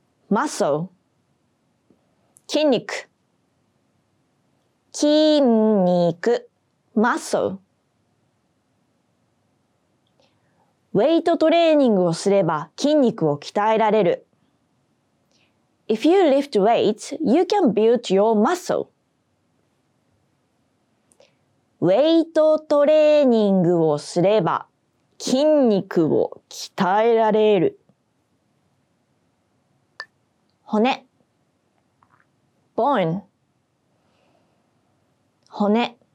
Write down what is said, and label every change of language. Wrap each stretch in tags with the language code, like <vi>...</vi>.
<en>muscle。</en> <ja>筋肉、筋肉、muscle。ウェイトトレーニングをすれば筋肉を鍛えられる。</ja> <en>If you lift weights, you can build your muscle.</en> <ja>ウェイトトレーニングをすれば筋肉を鍛えられる。骨、</ja> <en>bone。</en> <ja>骨、</ja>